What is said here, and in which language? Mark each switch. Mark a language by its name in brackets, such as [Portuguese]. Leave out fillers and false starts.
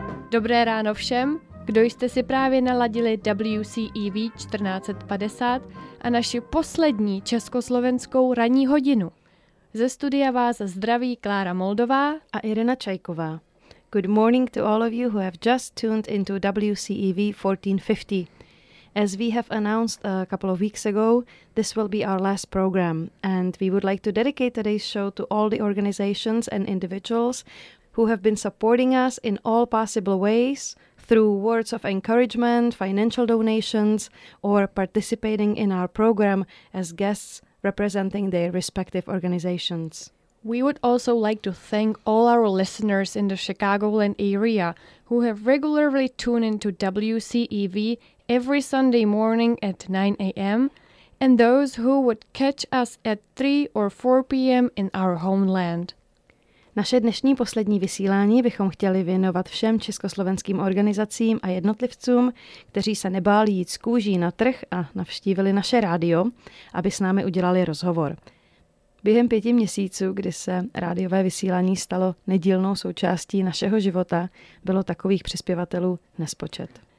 [Czech] Dobré ráno všem, kdo jste si právě naladili WCEV 1450 a naši poslední československou ranní hodinu. Ze studia vás zdraví Klára Moldová a Irena Čajková. [English] Good morning to all of you who have just tuned into WCEV 1450. As we have announced a couple of weeks ago, this will be our last program, and we would like to dedicate today's show to all the organizations and individuals who have been supporting us in all possible ways through words of encouragement, financial donations, or participating in our program as guests representing their respective organizations. We would also like to thank all our listeners in the Chicagoland area who have regularly tuned into WCEV every Sunday morning at 9 a.m. and those who would catch us at 3 or 4 p.m. in our homeland. [Czech] Naše dnešní poslední vysílání bychom chtěli věnovat všem československým organizacím a jednotlivcům, kteří se nebáli jít z kůží na trh a navštívili naše rádio, aby s námi udělali rozhovor. Během 5 měsíců, kdy se rádiové vysílání stalo nedílnou součástí našeho života, bylo takových přispěvatelů nespočet.